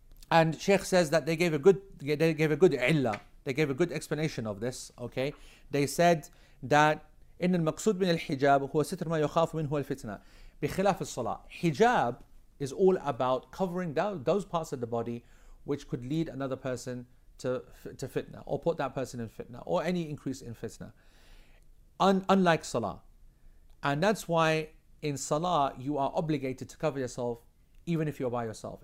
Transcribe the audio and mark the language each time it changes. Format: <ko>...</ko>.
<en>And Sheikh says that they gave a good explanation of this. Okay. They said that</en> <ar>إن المقصود من الحجاب هو ستر ما يخاف منه الفتنة بخلاف الصلاة.</ar> <en>Hijab is all about covering those parts of the body which could lead another person to fitna, or put that person in fitna, or any increase in fitna. Unlike salah. And that's why in salah you are obligated to cover yourself even if you're by yourself.</en>